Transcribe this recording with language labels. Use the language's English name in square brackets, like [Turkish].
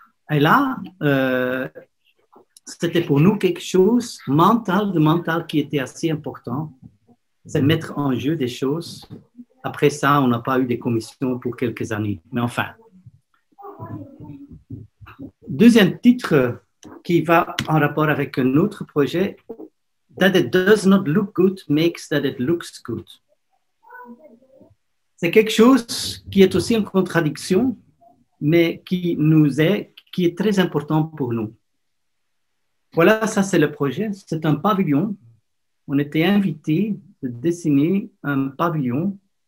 [French] Et là, c'était pour nous quelque chose mental qui était assez important. C'est mettre en jeu des choses. Après ça, on n'a pas eu de commissions pour quelques années. Mais enfin. Deuxième titre qui va en rapport avec un autre projet. [English] That it does not look good makes that it looks good. [French] C'est quelque chose qui est aussi une contradiction, mais qui est très important pour nous. Voilà, ça c'est le projet. C'est un pavillon. On était invités de dessiner un pavillon.